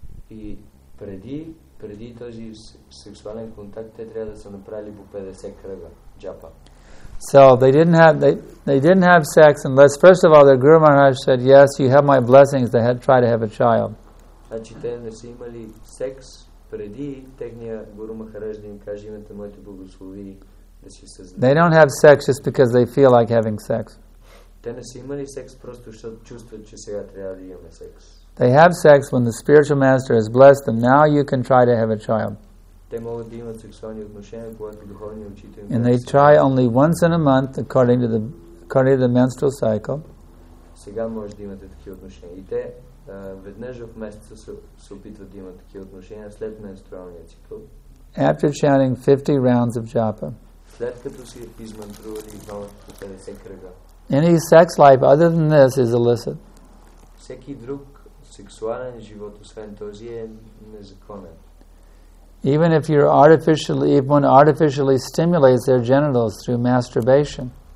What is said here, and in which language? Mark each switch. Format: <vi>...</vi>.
<bg>И преди този сексуален контакт те трябва да са направили по 50 кръга джапа.</bg> <en>So they didn't have sex unless first of all their Guru Maharaj said, "Yes, you have my blessings, try to have a child."</en> <bg>Значи те не са имали секс преди техния Гуру Махарадж да им каже имате моите благослови да си създадете.</bg> <en>They don't have sex just because they feel like having sex.</en> <bg>Те не са имали секс просто защото чувстват, че сега трябва да имаме секс.</bg> <en>They have sex when the spiritual master has blessed them. Now you can try to have a child.</en> <bg>Те могат да имат сексуални отношения, когато духовният учител.</bg> <en>And they try only once in a month according to the menstrual cycle.</en> <bg>Сега може да имате такива отношения. И те веднъж в месеца се опитват да имат такива отношения след менструалния цикъл.</bg> <en>After chanting 50 rounds of japa.</en> <bg>След като си измантрували по 50 кръга.</bg> <en>Any sex life other than this is illicit.</en> <bg>Всеки друг сексуален живот освен този е незаконен.</bg> <en>Even if you're artificially, even artificially stimulates their genitals through masturbation.</en>